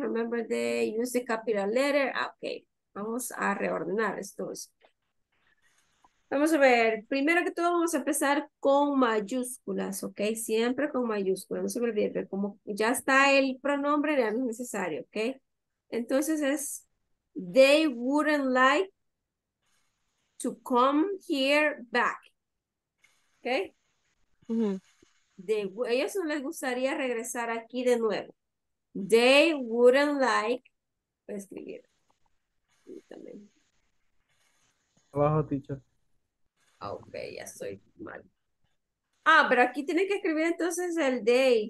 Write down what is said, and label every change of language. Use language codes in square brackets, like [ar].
[en] Remember the use the capital letter. Ok, [es] vamos a reordenar estos. Vamos a ver, primero que todo vamos a empezar con mayúsculas, ¿ok? Siempre con mayúsculas, no se me olvide, como ya está el pronombre, ya no es necesario, ¿ok? Entonces es, [en] they wouldn't like to come here back, ¿ok? [es] Ellos no les gustaría regresar aquí de nuevo. [en] They wouldn't like, [es] voy a escribir. También. Abajo, teacher. Ok, ya estoy mal. Ah, pero aquí tiene que escribir entonces el they.